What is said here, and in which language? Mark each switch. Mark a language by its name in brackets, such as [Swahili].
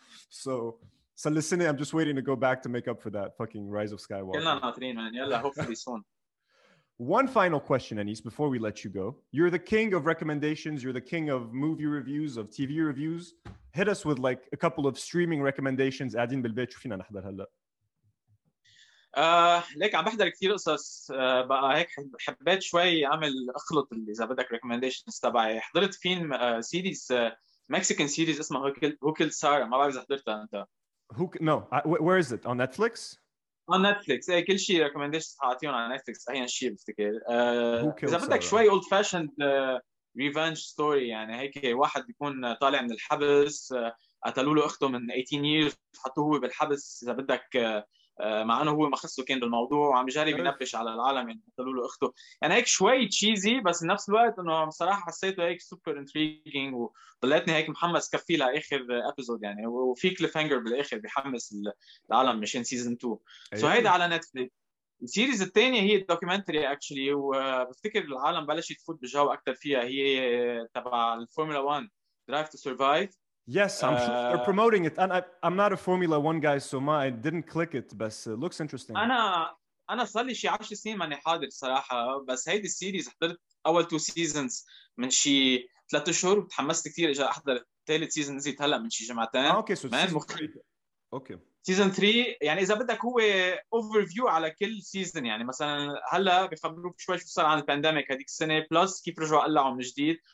[English] So للسينما I'm just waiting to go back to make up for that fucking Rise of Skywalker. [Arabic] يلا ناطرين يعني يلا [English] hopefully soon. One final question, Anis, before we let you go. You're the king of recommendations. You're the king of movie reviews, of TV reviews. Hit us with like a couple of streaming recommendations. [Arabic] قاعدين بالبيت شو فينا نحضر هلا؟ ليك عم بحضر كثير قصص بقى هيك حبيت شوي اعمل اخلط اللي اذا بدك ريكومنديشنز تبعي. حضرت فيلم سيريز مكسيكان سيريز اسمه هوكل سارا، ما بعرف اذا حضرتها انت. [English] No, where is it? On Netflix? On Netflix. [Arabic] اي كل شيء ريكومنديشنز حاعطيهم على Netflix اي شيء بفتكر. اذا بدك [English] Sarah. [Arabic] شوي اولد فاشند revenge story، يعني هيك واحد بيكون طالع من الحبس، قتلوا له اخته من 18 years، حطوه هو بالحبس اذا بدك، مع انه هو ما خصه كان بالموضوع، وعم يجرب ينبش على العالم يعني قتلوا له اخته. يعني هيك شوي تشيزي بس بنفس الوقت انه بصراحه حسيته هيك سوبر انتريجينج، وطلعتني هيك محمس كفي لاخر ابيزود يعني، وفي كليف هانجر بالاخر بحمس العالم مشان سيزون 2. سو هيدا على نتفليكس. السيريز الثانية هي الدوكيومنتري اكشلي، وبفتكر العالم بلشت تفوت بجو اكثر فيها، هي تبع الفورمولا 1 درايف تو سرفايف. [English] Yes, I'm sure they're promoting it. And I'm not a Formula One guy, so I didn't click it, but it looks interesting. [Arabic] أنا صار لي شي 10 سنين ماني حاضر صراحة، بس هيدي السيريز حضرت أول 2 سيزونز من شي 3 أشهر، وتحمست كثير إجا أحضر ثالث سيزون نزلت هلا من شي جمعتين. [English] Okay, so [Arabic] من [English] Okay. [Arabic] سيزون 3 يعني إذا بدك هو أوفر فيو على كل سيزون، يعني مثلا هلا بخبروك شوي شو صار عن البانديميك هذيك السنة، بلس كيف رجعوا قلعوا من جديد.